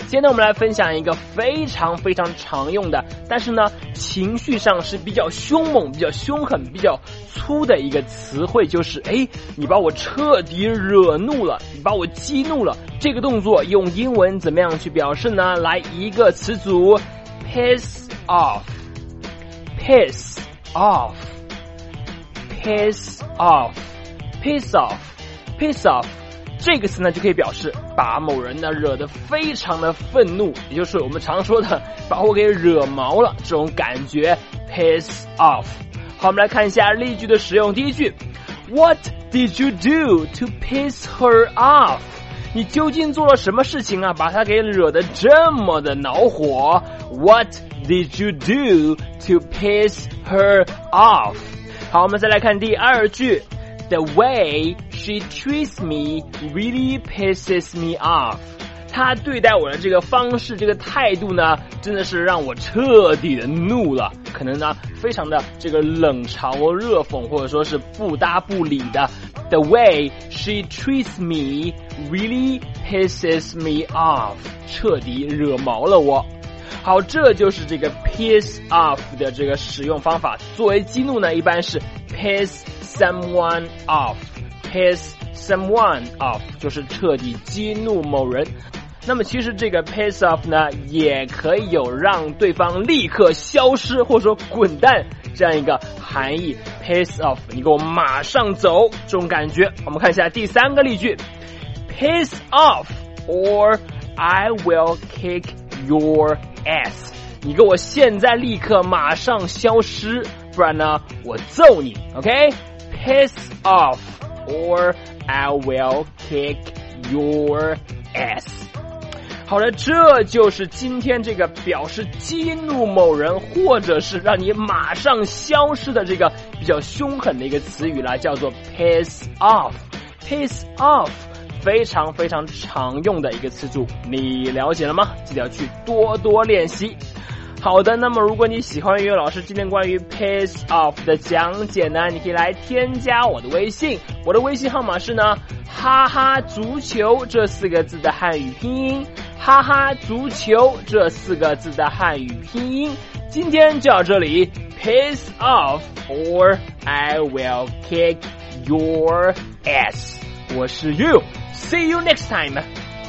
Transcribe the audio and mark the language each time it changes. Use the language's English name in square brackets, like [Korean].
[Chinese] 今天我们来分享一个非常非常常用的，但是呢，情绪上是比较凶猛、比较凶狠、比较粗的一个词汇，就是哎，你把我彻底惹怒了，你把我激怒了。这个动作用英文怎么样去表示呢？来一个词组 ，piss off，piss off，piss off，piss off，piss off。这个词呢就可以表示把某人呢惹得非常的愤怒，也就是我们常说的把我给惹毛了这种感觉 piss off。好，我们来看一下例句的使用。第一句， [English] What did you do to piss her off? [Chinese] 你究竟做了什么事情啊，把她给惹得这么的恼火。 [English] What did you do to piss her off? [Chinese] 好，我们再来看第二句， [English] The wayShe treats me really pisses me off. [Chinese] 她对待我的这个方式，这个态度呢，真的是让我彻底的怒了。可能呢，非常的这个冷嘲热讽，或者说是不搭不理的。 [English] The way she treats me really pisses me off. [Chinese] 彻底惹毛了我。好，这就是这个 piss off 的这个使用方法。作为激怒呢，一般是 piss someone off. Piss someone off 就是彻底激怒某人。那么其实这个 piss off 呢，也可以有让对方立刻消失或者说滚蛋这样一个含义。 [English] piss off， 你给我马上走，这种感觉。我们看一下第三个例句， piss off or I will kick your ass， [Chinese] 你给我现在立刻马上消失，不然呢我揍你。 [English] OK， piss offOr I will kick your ass. [Chinese] 好的，这就是今天这个表示激怒某人或者是让你马上消失的这个比较凶狠的一个词语了，叫做 piss off. Piss off 非常非常常用的一个词组，你了解了吗？记得要去多多练习。好的，那么如果你喜欢岳老师今天关于 piss off 的讲解呢，你可以来添加我的微信，我的微信号码是呢哈哈足球这四个字的汉语拼音，哈哈足球这四个字的汉语拼音。今天就到这里， [English] piss off or I will kick your ass. [Chinese] 我是 [English] You, see you next time.